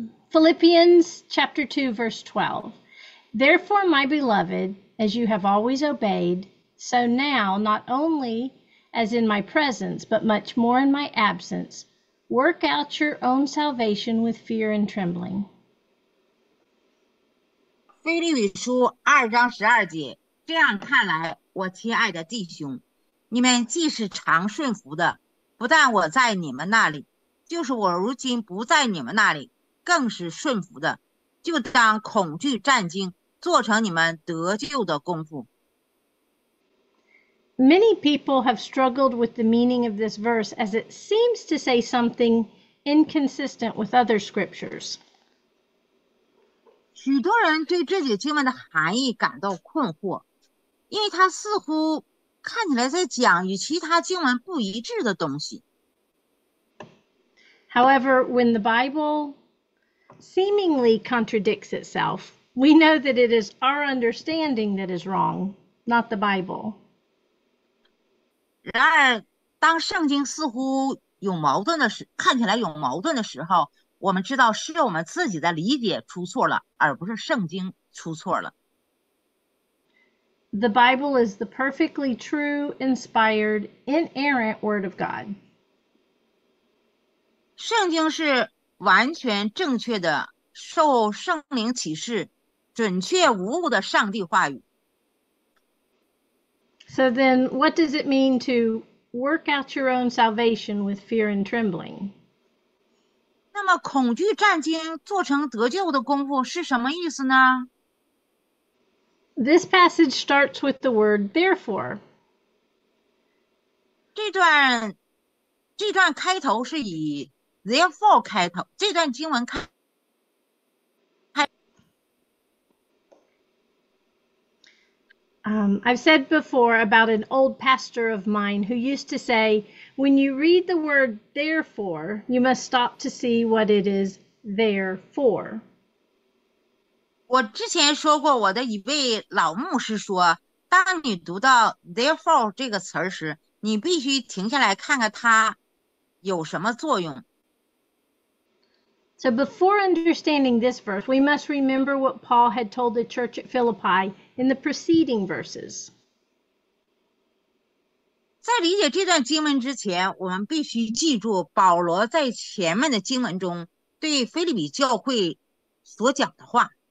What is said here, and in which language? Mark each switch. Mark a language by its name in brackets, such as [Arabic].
[English] Philippians chapter 2, verse 12. Therefore, my beloved, as you have always obeyed, so now, not only as in my presence, but much more in my absence, work out your own salvation with fear and trembling. [Chinese] 腓立比书二章十二节，这样看来，我亲爱的弟兄，你们既是常顺服的，不但我在你们那里，就是我如今不在你们那里，更是顺服的，就当恐惧战惊，做成你们得救的功夫。 [English] Many people have struggled with the meaning of this verse as it seems to say something inconsistent with other scriptures. [Chinese] 许多人对这节经文的含义感到困惑，因为它似乎看起来在讲与其他经文不一致的东西。 [English] However, when the Bible seemingly contradicts itself, we know that it is our understanding that is wrong, not the Bible. [Chinese] 然而当圣经似乎有矛盾的时看起来有矛盾的时候我们知道是我们自己的理解出错了而不是圣经出错了。 [English] The Bible is the perfectly true, inspired, inerrant word of God. [Chinese] 圣经是完全正确的受圣灵启示准确无误的上帝话语。 [English] So then, what does it mean to work out your own salvation with fear and trembling? [Chinese] 那么恐惧战惊做成得救的功夫是什么意思呢? [English] This passage starts with the word therefore. [Chinese] 这段开头是以 therefore 开头,这段经文开 [English] I've said before about an old pastor of mine who used to say, when you read the word therefore, you must stop to see what it is there for. [Chinese] 我之前说过我的一位老牧师说，当你读到 therefore 这个词时，你必须停下来看看它有什么作用。 [English] So before understanding this verse, we must remember what Paul had told the church at Philippi in the preceding verses. [Chinese] 在理解这段经文之前，我们必须记住保罗在前面的经文中对腓立比教会所讲的话。